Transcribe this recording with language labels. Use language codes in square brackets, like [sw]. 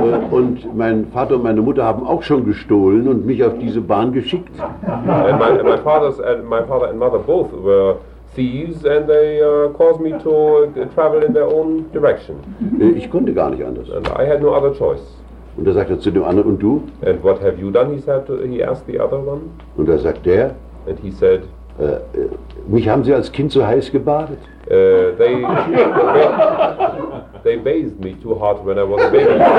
[de] Und mein Vater und meine Mutter haben auch schon gestohlen und mich auf diese Bahn geschickt. [en] And my father and mother both were thieves and they caused me to travel in their own direction. [de] Ich konnte gar nicht anders. [en] And I had no other choice. [de] Und da sagt er zu dem anderen, und du? [en] And what have you done, he asked the other one. [de] Und da sagt der, [en] and he said, [de] mich haben sie als Kind zu heiß gebadet. [en] They bathed me too hot when I was a baby.